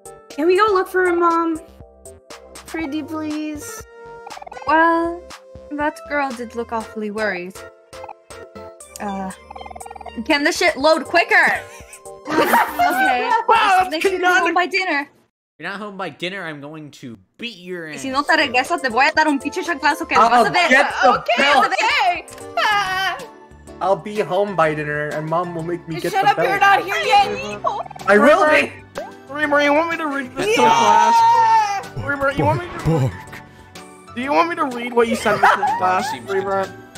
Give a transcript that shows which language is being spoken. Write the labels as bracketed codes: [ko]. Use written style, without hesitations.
[en] Can we go look for him, Mom? Pretty please? Well, that girl did look awfully worried. Can the shit load quicker? Okay. If you're not home by dinner, I'm going to beat your ass. [es] Si no te regresas, te voy a dar un pinche chanclazo que vas a ver. [en] I'll be home by dinner, and Mom will make me get the belt. Shut up, you're not here yet, I will be! Remarie, you want me to read this to class? Remarie, you want me to... Do you want me to read what you sent me to class, Remarie?